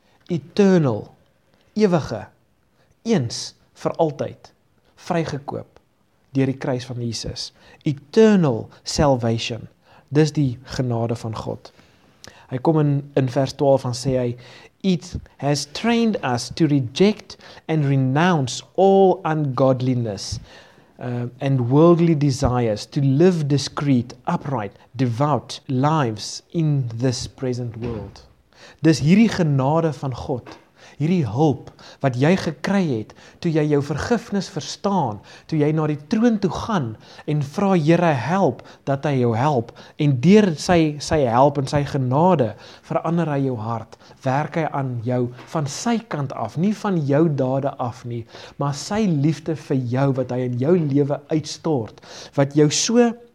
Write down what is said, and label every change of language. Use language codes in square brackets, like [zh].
[af] eternal, ewige, eens vir altyd, vrygekoop deur die kruis van Jesus. [en] Eternal salvation, [af] dis die genade van God. Hy kom in vers 12 en sê hy, [en] it has trained us to reject and renounce all ungodliness and worldly desires, to live discreet, upright, devout lives in this present world. [af] Dis hierdie genade van God, hierdie hulp wat jy gekry het, toe jy jou vergifnis verstaan, toe jy na die troon toe gaan en vra Here help, dat hy jou help, en deur sy help en sy genade verander hy jou hart, werk hy aan jou van sy kant af, nie van jou dade af nie, maar sy liefde vir jou wat hy in jou lewe uitstort, wat jou so